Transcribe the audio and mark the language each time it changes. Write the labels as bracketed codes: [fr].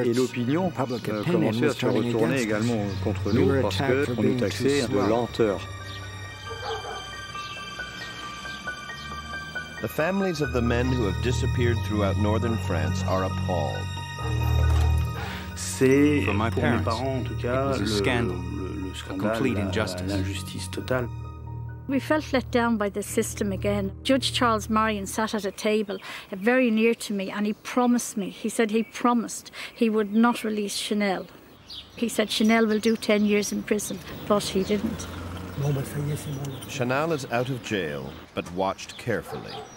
[fr] Et l'opinion commençait à se retourner également contre nous parce qu'on nous taxait de lenteur. [en] The families of the men who have disappeared throughout northern France are appalled. [fr] C'est pour mes parents, en tout cas, le scandale, l'injustice totale. [en] We felt let down by the system again. Judge Charles Marion sat at a table very near to me, and he promised he would not release Chanel. He said Chanel will do 10 years in prison, but he didn't. Chanel is out of jail, but watched carefully.